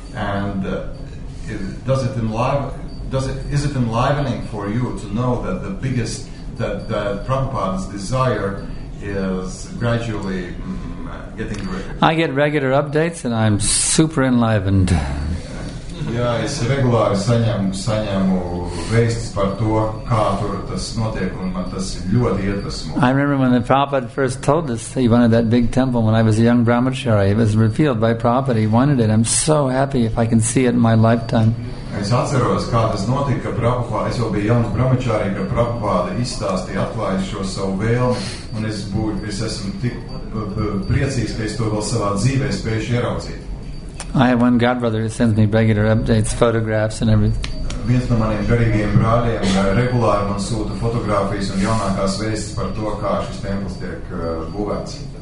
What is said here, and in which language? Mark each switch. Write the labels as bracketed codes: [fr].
[en] And is it enlivening for you to know that the biggest that Prabhupada's desire is gradually getting ready? I get regular updates, and I'm super enlivened. [lv] Jā, es regulāri saņemu vēstis par to, kā tur tas notiek, un man tas ļoti iedvesmo. [en] I remember when the Prabhupada first told us he wanted that big temple when I was a young brahmachari. It was revealed by Prabhupada. He wanted it. I'm so happy if I can see it in my lifetime. [lv] Es atceros, kā tas notika, ka Prabhupada, es jau biju jauns brahmachari, ka Prabhupada izstāstīja, atklāja šo savu vēlmi, un es esmu tik priecīgs, ka es to vēl savā dzīvē spējuši ieraudzīt. [en] I have one godbrother who sends me regular updates, photographs and everything. [lv] Viens no maniem garīgiem brāļiem regulāri man sūta fotogrāfijas un jaunākās vēstis par to, kā šis templis tiek būvēts.